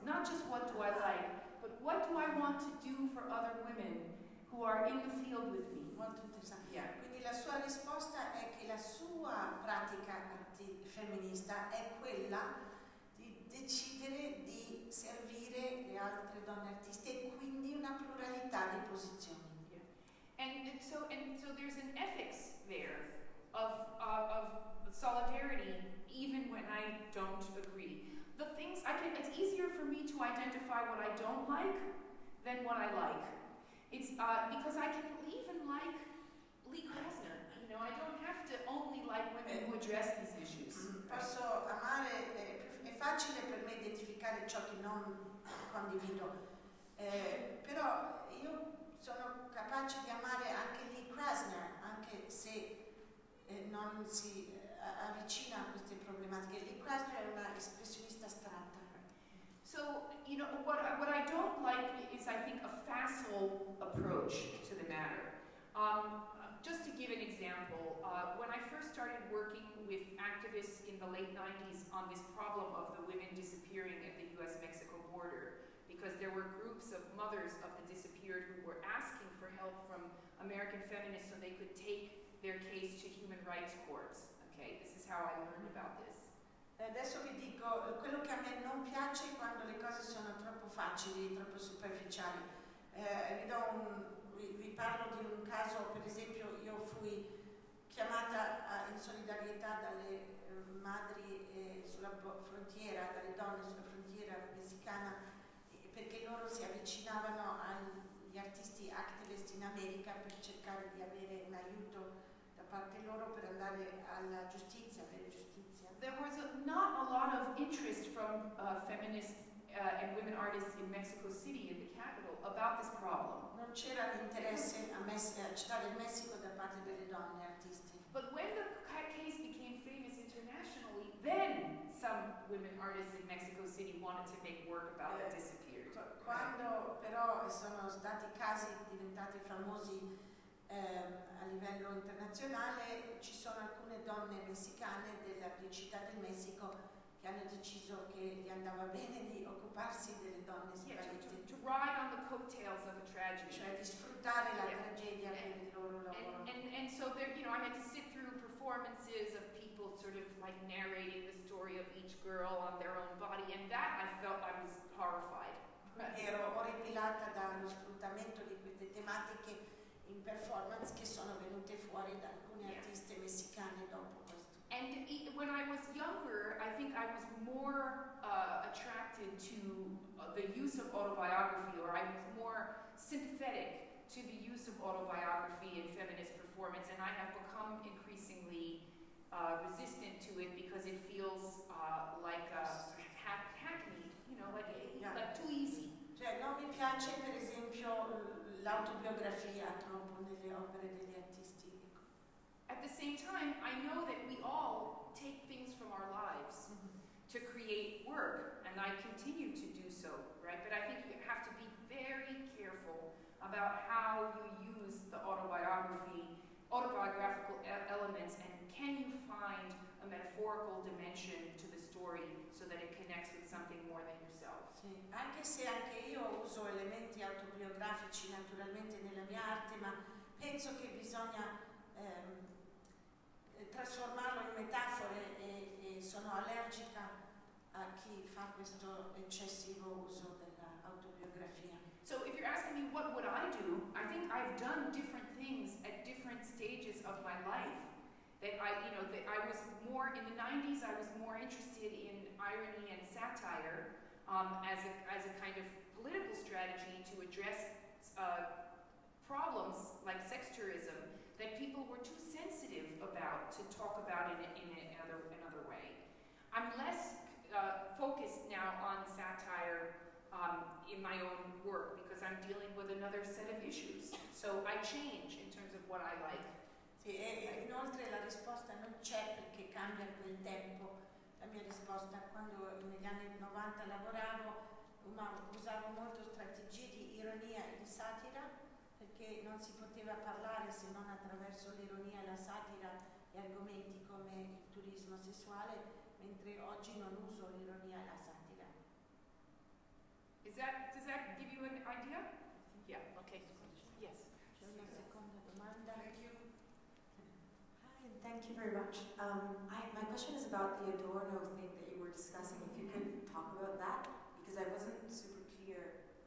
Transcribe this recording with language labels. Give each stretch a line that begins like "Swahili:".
English: Not just what do I like, but what do I want to do for other women who are in the field with me?
Italian: Molto interessante.
English: Yeah.
Italian: Quindi la sua risposta è che la sua pratica femminista è quella di decidere di servire le altre donne artiste, e quindi una pluralità di posizioni.
English: Yeah. And so there's an ethics there of solidarity, even when I don't agree. The things I can, it's easier for me to identify what I don't like than what I like. It's because I can even like Lee Krasner. I don't have to only like women who address these issues.
Italian: Posso amare, è facile per me identificare ciò che non condivido. Però io sono capace di amare anche Lee Krasner, anche se non si avvicina a queste problematiche. Lee Krasner è una espressionista astratta.
English: So, what I don't like is, I think, a facile approach to the matter. Just to give an example, when I first started working with activists in the late 90s on this problem of the women disappearing at the US-Mexico border, because there were groups of mothers of the disappeared who were asking for help from American feminists so they could take their case to human rights courts. Okay, this is how I learned about this.
Italian: Adesso vi dico quello che a me non piace quando le cose sono troppo facili, troppo superficiali. Vi parlo di un caso, per esempio, io fui chiamata in solidarietà dalle madri sulla frontiera, dalle donne sulla frontiera messicana, perché loro si avvicinavano agli artisti activist in America per cercare di avere un aiuto da parte loro per andare alla giustizia, avere giustizia.
English: There was not a lot of interest from feminist and women artists in Mexico City, in the capital, about this problem.
Italian: Non c'era l'interesse a città del Messico da parte delle donne artiste.
English: But when the case became famous internationally, then some women artists in Mexico City wanted to make work about it disappeared.
Italian: Quando però sono stati casi diventati famosi a livello internazionale, ci sono alcune donne messicane della città del Messico che hanno deciso che gli andava bene di occuparsi delle donne sparite.
English: To ride on the coattails of a tragedy.
Italian: Cioè di sfruttare la tragedia per il loro lavoro.
English: And so there, you know, I had to sit through performances of people sort of like narrating the story of each girl on their own body, and that I felt I was horrified.
Italian: Ero orripilata dallo sfruttamento di queste tematiche in performance che sono venute fuori da alcune artiste messicane dopo.
English: And when I was younger, I think I was more attracted to the use of autobiography, or I was more sympathetic to the use of autobiography in feminist performance, and I have become increasingly resistant to it because it feels like hackneyed, you know, like too easy.
Italian: Cioè, non mi piace, per esempio, l'autobiografia troppo nelle opere degli artisti.
English: At the same time, I know that we all take things from our lives to create work, and I continue to do so, right? But I think you have to be very careful about how you use the autobiographical elements, and can you find a metaphorical dimension to the story so that it connects with something more than yourself?
Italian: Sì. Anche se anche io uso elementi autobiografici naturalmente nella mia arte, ma penso che bisogna trasformarlo in metafore e sono allergica a chi fa questo eccessivo uso dell'autobiografia.
English: So if you're asking me what would I do, I think I've done different things at different stages of my life. That I, you know, that I was more in the 90s, I was more interested in irony and satire as a kind of political strategy to address problems like sex tourism that people were too sensitive about to talk about in another way. I'm less focused now on satire in my own work because I'm dealing with another set of issues. So I change in terms of what I like.
Italian: Sì, inoltre la risposta non c'è perché cambia quel tempo. La mia risposta, quando negli anni 90 lavoravo, usavo molto strategie di ironia e di satira, perché non si poteva parlare se non attraverso l'ironia e la satira e argomenti come il turismo sessuale, mentre oggi non uso l'ironia e la satira.
English: Does that give you an idea? Yeah, okay. Yes.
Italian: C'è una seconda domanda.
English: Thank you. Hi, thank you very much. My question is about the Adorno thing that you were discussing, if you could talk about that, because I wasn't super clear.